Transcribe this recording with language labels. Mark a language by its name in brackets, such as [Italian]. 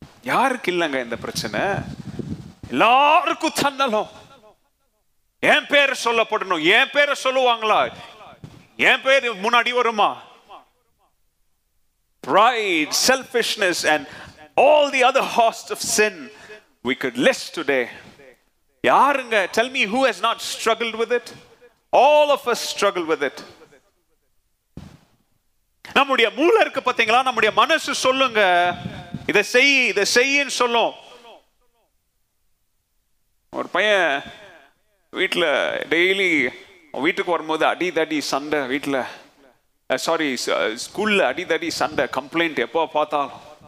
[Tamil] யாருக்கு இல்லைங்க இந்த பிரச்சனை, எல்லாருக்கும் தன்னலும். என் பேரை சொல்லப்படணும், என் பேரை சொல்லுவாங்களா, என் பேர் முன்னாடி வருமா? [English] Pride, selfishness and all the other host of sin we could list today. [Tamil] யாருங்க, [English] tell me who has not struggled with it. All of us struggle with it. [Tamil] நம்முடைய மூல இருக்கு பார்த்தீங்களா, நம்முடைய மனசு சொல்லுங்க இதை செய்ய இதை செய்யன்னு சொல்லும். ஒரு பையன் வீட்டில் டெய்லி வீட்டுக்கு வரும்போது அடி தடி சண்டை, வீட்டில் சாரி ஸ்கூலில் அடி தடி சண்டை, கம்ப்ளைண்ட் எப்போ பார்த்தாலும்.